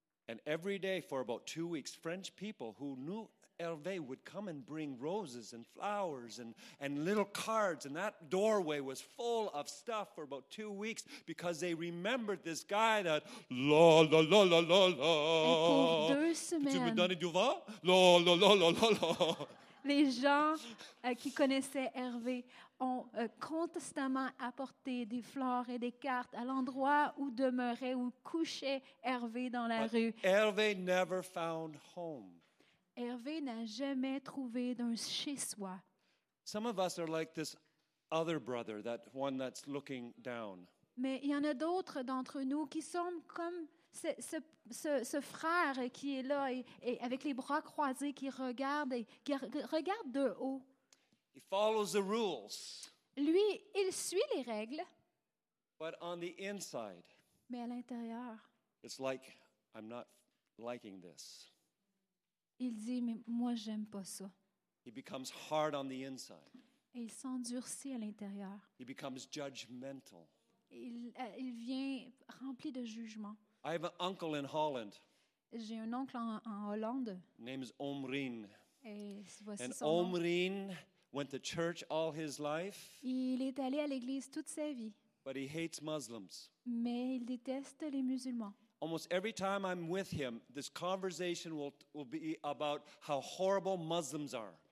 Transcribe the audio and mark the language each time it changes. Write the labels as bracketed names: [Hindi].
[English] And every day for about 2 weeks, French people who knew Hervé would come and bring roses and flowers and little cards, and that doorway was full of stuff for about 2 weeks because they remembered this guy that la la la la la la. [French] Et pour 2 semaines. Tu me donnes du vin? La la la la la la. Les gens qui connaissaient Hervé ont constamment apporté des fleurs et des cartes à l'endroit où demeurait ou couchait Hervé dans la rue. [English] Hervé never found home. [French] Hervé n'a jamais trouvé d'un chez-soi. [English] Some of us are like this other brother, that one that's looking down. [French] Mais il y en a d'autres d'entre nous qui sont comme ce frère qui est là et avec les bras croisés qui regarde et qui regarde de haut. [English] He follows the rules. [French] Lui, il suit les règles. [English] But on the inside, [French] mais à l'intérieur, [English] it's like I'm not liking this. [French] Il dit, mais moi, j'aime pas ça. [English] He becomes hard on the inside. [French] Et il s'endurcit à l'intérieur. [English] He becomes judgmental. [French] Il vient rempli de jugement. [English] I have an uncle in Holland. [French] J'ai un oncle en Hollande. [English] Name is Omrin. And Omrin went to church all his life. [French] Il est allé à l'église toute sa vie. [English] But he hates Muslims. [French] Mais il déteste les musulmans. [English] Almost every time I'm with him, this conversation will be about how horrible Muslims are.